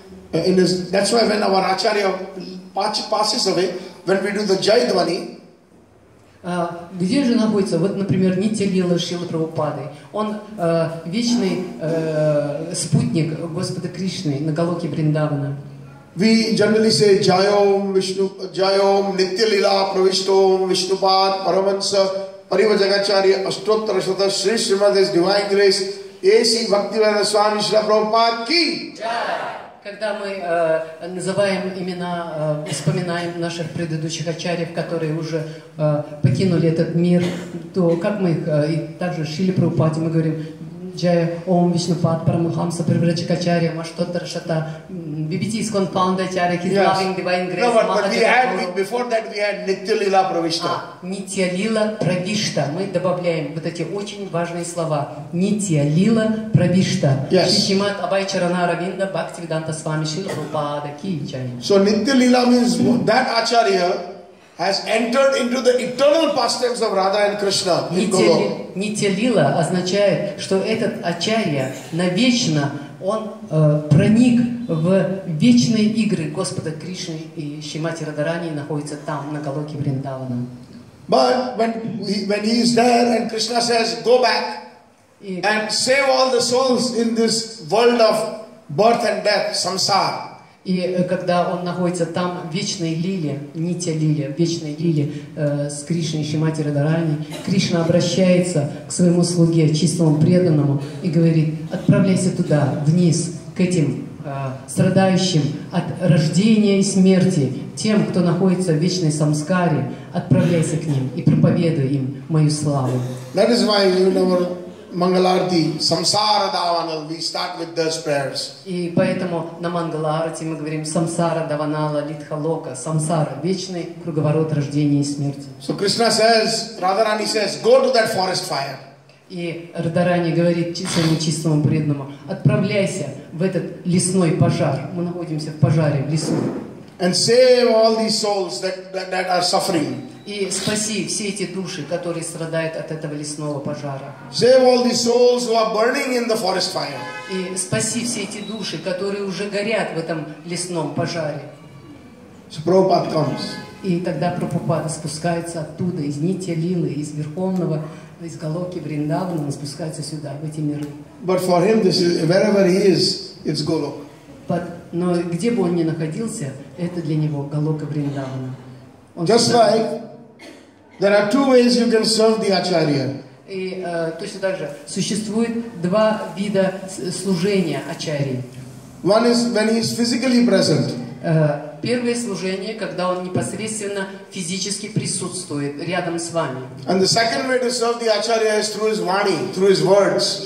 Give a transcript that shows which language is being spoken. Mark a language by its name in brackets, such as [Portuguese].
[English] That's why when our Acharya passes away, when we do the Jai Dvani. [Russian] Где же находится? Вот, например, Нитьянанда Шрила Прабхупады. Он вечный спутник Господа Кришны на Голоке Вриндавана. [English] We generally say Jayom Vishnu, Jayom Nityalila Pravishtom Vishnupad Paramansa. Pariva Jagacharya, Astotra Shata, Sri Srimadhe's Divine Grace, A.C. Bhaktivedanta Swami Srila Prabhupada Ki! [Russian] Когда мы называем имена, вспоминаем наших предыдущих ачарьев, которые уже покинули этот мир, то как мы их, и также Шили Прабхупаде, мы говорим Джая Ом Вишнупад Парамахамса Приврачакачарья Маштоттара Шата Бибити Искон Паунда Ачарья [English] His yes. Loving Divine Grace no, but we had, before that we had Нитьялила Правишта. [Russian] Нитьялила Правишта. Мы добавляем вот эти очень важные слова. Нитьялила Правишта. Шишимат Абай Чарана Равинда Бхакти Виданта Свами Шрила Прабхупада Ки Чайна. [English] So Нитьялила means that Acharya has entered into the eternal pastimes of Radha and Krishna in Golok. [Russian] Нитьялила означает, что этот ачарья навечно он проник в вечные игры Господа Кришны и Шримати Радхарани и находится там на Голоке Вриндавана. [English] But when he is there and Krishna says go back and save all the souls in this world of birth and death, samsara. [Russian] И когда он находится там, в вечной лиле, нитья лиле, в вечной лиле с Кришной, Шримати Радхарани, Кришна обращается к своему слуге, чистому преданному, и говорит, отправляйся туда, вниз, к этим страдающим от рождения и смерти, тем, кто находится в вечной самскаре, отправляйся к ним и проповедуй им мою славу. [English] That is why you never... Mangalarti, Samsara Davanal, we start with those prayers. [Russian] И поэтому на Мангаларти мы говорим Самсара Даванала Литхалока, Самсара, вечный круговорот рождения и смерти. [English] So Krishna says, Radharani says, go to that forest fire. [Russian] И Радхарани говорит своему чистому преданному, отправляйся в этот лесной пожар. Мы находимся в пожаре, в лесу. [English] And save all these souls that are suffering. [Russian] И спаси все эти души, которые страдают от этого лесного пожара. [English] Save all the souls who are burning in the forest fire. [Russian] И спаси все эти души, которые уже горят в этом лесном пожаре. [English] So Prabhupada comes. [Russian] И тогда Прабхупада спускается оттуда, из Нитьялилы, из Верховного, из Голоки Вриндавана, он спускается сюда, в эти миры. [English] But for him, this is, wherever he is, it's Golok. [Russian] Но где бы он ни находился, это для него Голока Вриндавана. [English] Just like there are two ways you can serve the Acharya. [Russian] И точно так же существует два вида служения Ачарьи. [English] One is when he is physically present. [Russian] Первое служение, когда он непосредственно физически присутствует рядом с вами. [English] And the second way to serve the Acharya is through his Vani, through his words.